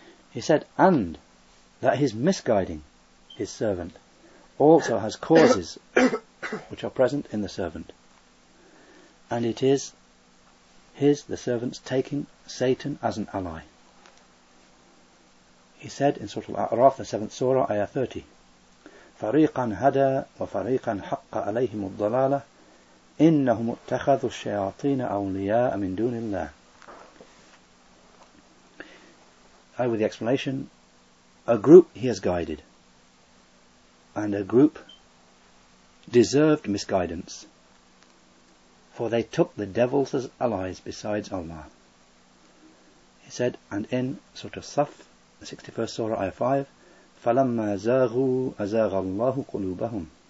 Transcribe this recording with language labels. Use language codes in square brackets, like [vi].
[en] He said, and that his misguiding his servant also has causes which are present in the servant, and it is his, the servant's, taking Satan as an ally. He said in Surah Al-A'raf, the 7th Surah, Ayah 30, [ar] فَرِيقًا هَدَى وَفَرِيقًا حَقَّ عَلَيْهِمُ الضَّلَالَةِ إِنَّهُمُ اتَّخَذُوا الشَّيَاطِينَ أَوْلِيَاءَ مِنْ دُونِ اللَّهِ. [en] I, with the explanation, a group he has guided, and a group deserved misguidance, for they took the devils as allies besides Allah. He said, and in Surah Saf, the 61st Surah, Ayah 5, [ar] فَلَمَّا زَاغُوا أَزَاغَ اللَّهُ قُلُوبَهُمْ.